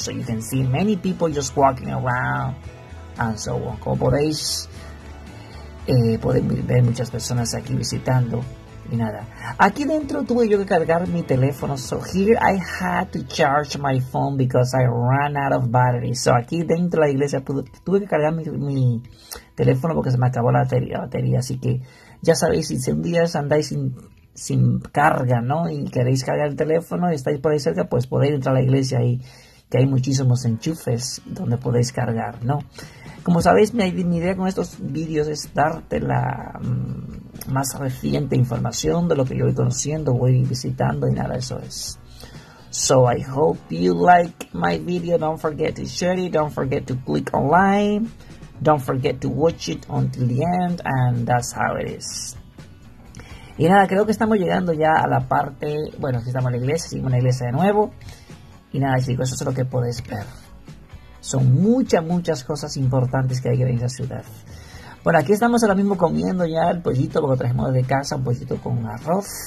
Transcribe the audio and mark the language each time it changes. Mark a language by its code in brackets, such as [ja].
[en] So you can see many people just walking around and so on. [es] Como podéis, pueden ver muchas personas aquí visitando y nada. Aquí dentro tuve yo que cargar mi teléfono. [en] So here I had to charge my phone because I ran out of battery. [es] So aquí dentro de la iglesia tuve que cargar mi teléfono porque se me acabó la batería. Así que ya sabéis, si un día andáis sin carga, ¿no? Y queréis cargar el teléfono y estáis por ahí cerca, pues podéis entrar a la iglesia ahí, que hay muchísimos enchufes donde podéis cargar, ¿no? Como sabéis, mi idea con estos vídeos es darte la más reciente información de lo que yo voy conociendo, voy visitando y nada, eso es. [en] So I hope you like my video. Don't forget to share it. Don't forget to click online. Don't forget to watch it until the end. And that's how it is. [es] Y nada, creo que estamos llegando ya a la parte. Bueno, aquí estamos en la iglesia, seguimos en la iglesia de nuevo. Y nada, chicos, eso es lo que puedes ver. Son muchas, muchas cosas importantes que hay que ver en esa ciudad. Bueno, aquí estamos ahora mismo comiendo ya el pollito, porque trajimos desde casa un pollito con arroz.